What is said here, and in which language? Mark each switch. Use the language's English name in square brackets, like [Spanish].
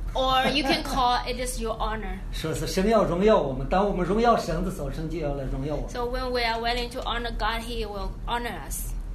[English] Or you can call it is your honor. [Chinese] 说是神要荣耀我们，当我们荣耀神的时候，神就要来荣耀我们。 [English] So when we are willing to honor God, He will honor us.